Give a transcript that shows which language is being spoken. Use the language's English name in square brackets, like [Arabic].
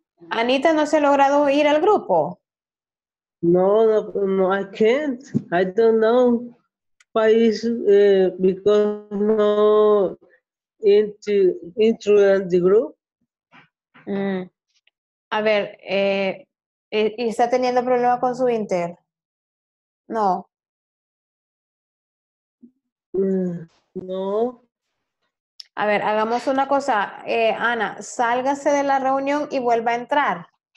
[Spanish] Anita, ¿no se ha logrado ir al grupo? [English] No, I can't. I don't know why is because no into the group. [Spanish] A ver, ¿y está teniendo problema con su inter? No. No. A ver, hagamos una cosa. Ana, sálgase de la reunión y vuelva a entrar.